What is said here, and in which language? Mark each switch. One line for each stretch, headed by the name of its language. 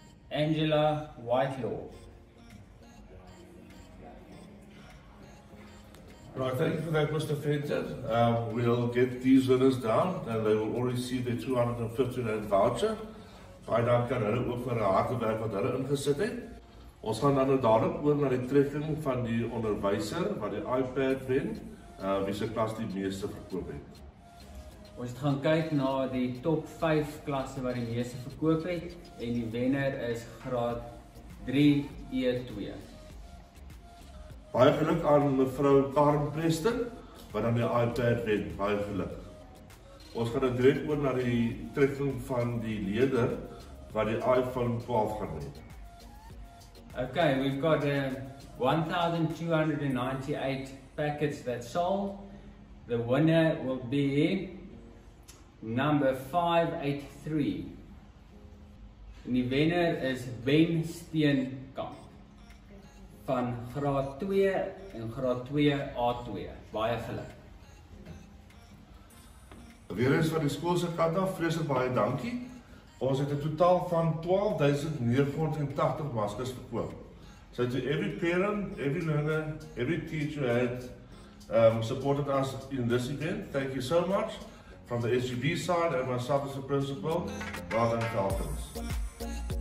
English: Angela Whitelaw. Right, thank you for that, Mr. Fenter. We'll get these winners down and they will all receive their R250 voucher.
Afrikaans: Baie dank aan hulle ook vir die harde werk wat hulle ingesit het. Ons gaan dan nou dadelik oor na die trekking van die onderwyser wat die iPad wen, wie se klas die meeste verkoop het. Ons het gaan kyk na die top 5 klasse wat die meeste verkoop het en die wenner is graad 3 E2. Baie geluk aan mevrou Karen Preston, wat aan die iPad wen. Baie geluk. Ons gaan direk oor na die trekking van die leerder wat die iPhone 12 gaan wen.
English: Okay, we've got 1,298 packets that sold. The winner will be number 583.
Afrikaans: En die wenner is Ben Steenkamp. van graad 2 en graad 2 A2. Baie geluk. Weer eens van die skool se kant af, vreeslik baie dankie. Ons het 'n totaal van 12,980 maskers verkoop.
English: So to every parent, every learner, every teacher had supported us in this event. Thank you so much from the SGB side and myself as a principal. Well done, Falcons.